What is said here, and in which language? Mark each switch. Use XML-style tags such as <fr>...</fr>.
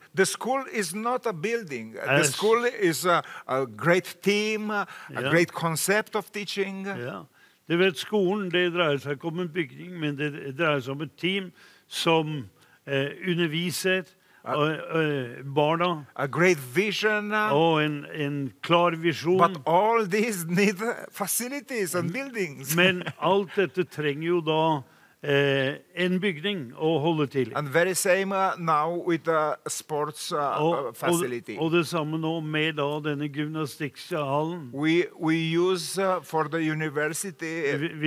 <en>The school is not a building. The school is a great team, a great concept of teaching.</en> <no>Ja. Du vet, skolen, det dreier seg ikke om en bygning, men det dreier seg om et team som underviser barna.</no> <en>A great vision.</en> <no>Og en klar visjon.</no> <en>But all these need facilities and buildings.</en> <no>Men alt dette trenger jo da en bygning å holde til.</no> <en>And very same now with the sports facility.</en> <no>Og det samme nå med da denne gymnastikkhallen.</no> <en>We use for the university.</en>